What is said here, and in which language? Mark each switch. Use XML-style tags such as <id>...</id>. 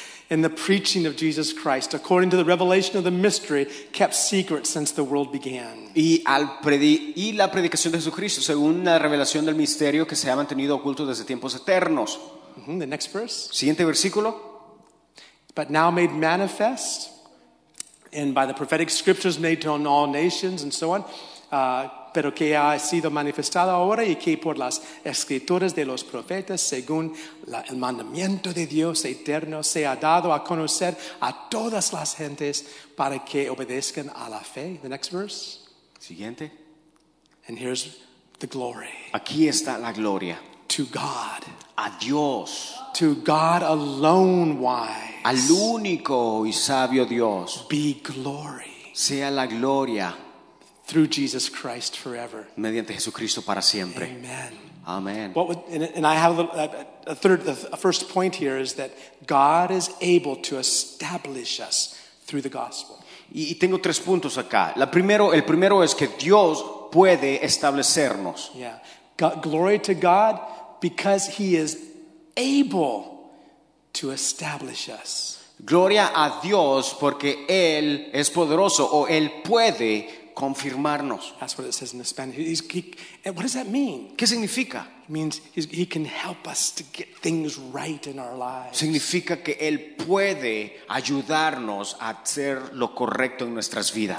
<en>In the preaching of Jesus Christ, according to the revelation of the mystery kept secret since the world began.</en> <es>Y la predicación de Jesucristo según la revelación del misterio que se ha mantenido oculto desde tiempos eternos.</es> <en>Mm-hmm, the next verse.</en> <es>Siguiente versículo.</es> <en>But now made manifest, and by the prophetic scriptures made to all nations, and so on.</en> <es>Pero que ha sido manifestado ahora y que por las escrituras de los profetas, según el mandamiento de Dios eterno, se ha dado a conocer a todas las gentes para que obedezcan a la fe.</es> <en>The next verse.</en> <es>Siguiente.</es> <en>And here's the glory.</en> <es>Aquí está la gloria.</es> <en>To God.</en> <es>A Dios.</es> <en>To God alone wise.</en> <es>Al único y sabio Dios.</es> <en>Be glory.</en> <es>Sea la gloria.</es> <en>Through Jesus Christ forever.</en> <es>Mediante Jesucristo para siempre. Amen.</es> <en>The first point here is that God is able to establish us through the gospel.</en> <es>Y tengo tres puntos acá. El primero es que Dios puede establecernos.</es> <en>Yeah. Glory to God because he is able to establish us.</en> <es>Gloria a Dios porque él es poderoso o él puede confirmarnos.</es> <en>That's what it says in the Spanish. What does that mean?</en> <es>¿Qué significa?</es> <en>It means he can help us to get things right in our lives.</en> <es>Significa que él puede ayudarnos a hacer lo correcto en nuestras vidas.</es>